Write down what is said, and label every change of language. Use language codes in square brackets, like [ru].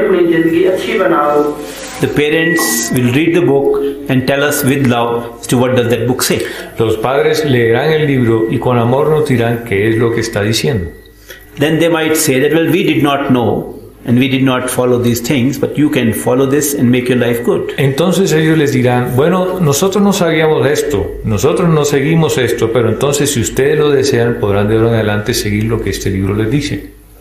[en] The parents will read the book and tell us with love as to what does that book say. [es] Los padres leerán el libro y con amor nos dirán qué es lo que está diciendo. [en] Then they might say that, well, we did not know and we did not follow these things, but you can follow this and make your life good. [es] Entonces ellos les dirán, bueno, nosotros no sabíamos esto, nosotros no seguimos esto, pero entonces si ustedes lo desean, podrán de ahora en adelante seguir lo que este libro les dice.